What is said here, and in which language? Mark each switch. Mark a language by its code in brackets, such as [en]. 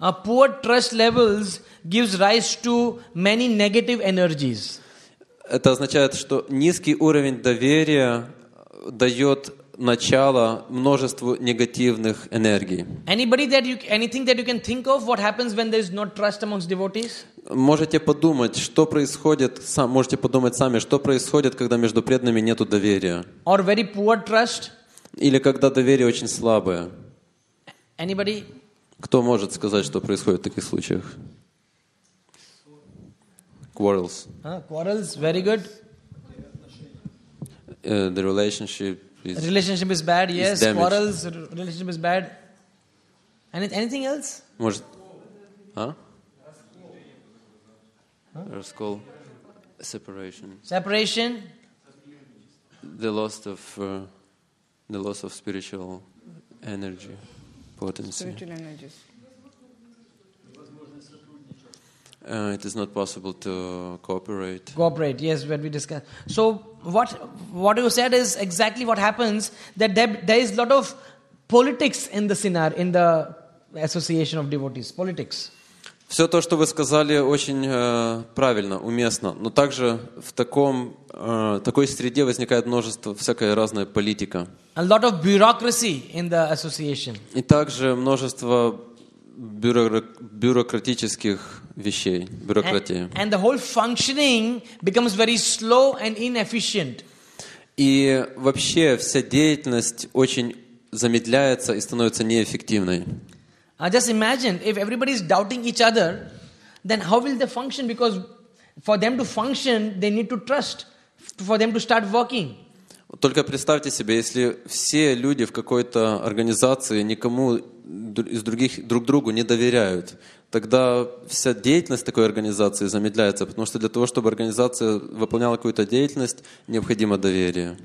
[en] poor trust levels gives rise to many negative energies. [ru] Это означает, что низкий уровень доверия дает начало множеству негативных энергий. [en] Anything that you can think of, what happens when there is no trust amongst devotees? [ru] Можете подумать, что происходит, можете подумать сами, что происходит, когда между преданными нету доверия. [en] Or very poor trust? [ru] Или когда доверие очень слабое. [en] Anybody? [ru] Кто может сказать, что происходит в таких случаях? [en] Quarrels. Quarrels, very good. The relationship. Relationship is bad, yes. Quarrels, relationship is bad. Anything else? [ru] Может, Раскол. [en] Separation. Separation. The loss of spiritual energy, potency. Spiritual energies. It is not possible to cooperate. Cooperate, yes, when we discuss. So what you said is exactly what happens, that there is a lot of politics in the scenario, in the association of devotees, politics. [ru] Все то, что вы сказали, очень правильно, уместно. Но также в таком, такой среде возникает множество всякой разной политики. [en] A lot of bureaucracy in the association. [ru] И также множество бюрократических вещей, бюрократии. [en] And the whole functioning becomes very slow and inefficient. [ru] И вообще вся деятельность очень замедляется и становится неэффективной. [en] Just imagine if everybody is doubting each other, then how will they function? Because for them to function, they need to trust for them to start working. [ru] Только представьте себе, если все люди в какой-то организации никому из других друг другу не доверяют, тогда вся деятельность такой организации замедляется, потому что для того, чтобы организация выполняла какую-то деятельность, необходимо доверие.